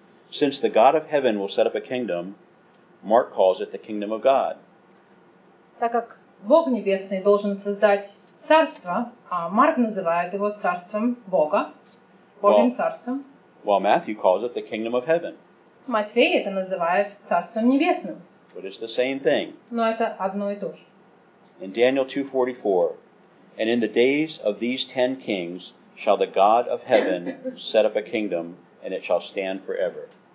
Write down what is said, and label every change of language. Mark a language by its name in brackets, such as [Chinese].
[English] Since the God of heaven will set up a kingdom, Mark calls it the kingdom of God. [Russian] Так как Бог небесный должен создать царство, а Марк называет его царством Бога, Божьим царством. [English] While Matthew calls it the kingdom of heaven. [Russian] Матфей это называет царством небесным. [English] But it's the same thing. [Russian] Но это одно и то же. [English] In Daniel 2:44, and in the days of these 10 kings shall the God of heaven set up a kingdom, and it shall stand forever.